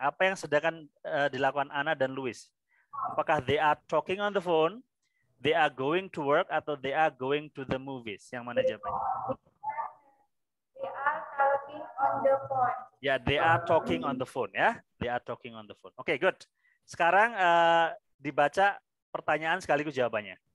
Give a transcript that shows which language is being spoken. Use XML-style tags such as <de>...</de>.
<id>Apa yang sedang dilakukan Anna dan Louis?</id> <en>Apakah they are talking on the phone, they are going to work, atau they are going to the movies?</en> <id>Yang mana jawabannya?</id> <en>They are talking on the phone. Ya, yeah, they are talking on the phone. Ya, yeah? They are talking on the phone. Oke, okay, good.</en> <id>Sekarang dibaca pertanyaan sekaligus jawabannya.</id>